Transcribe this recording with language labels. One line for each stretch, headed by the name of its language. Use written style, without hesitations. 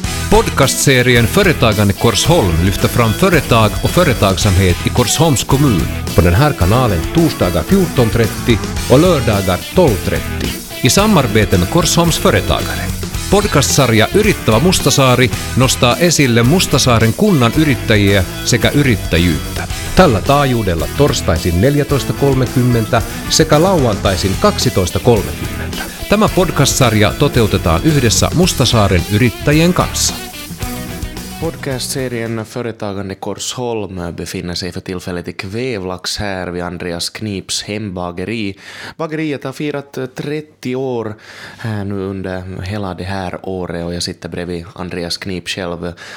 Swedish: podcastserien Företagande Korsholm lyfter fram företag och företagsamhet i Korsholms kommun på den här kanalen torsdagar 14.30 och lördagar 12.30 i samarbete med Korsholms företagare.
Finnish: Podcastsarja Yrittävä Mustasaari nostaa esille Mustasaaren kunnan yrittäjiä sekä yrittäjyyttä. Tällä taajuudella torstaisin 14.30 sekä lauantaisin 12.30. Tämä podcast-sarja toteutetaan yhdessä Mustasaaren yrittäjien kanssa.
Swedish: Podcast-serien Företagande Korsholm befinner sig för tillfället i Kvävlax här vid Andreas Knips hembageri. Bageriet har firat 30 år här nu under hela det här året och jag sitter bredvid Andreas Knip själv.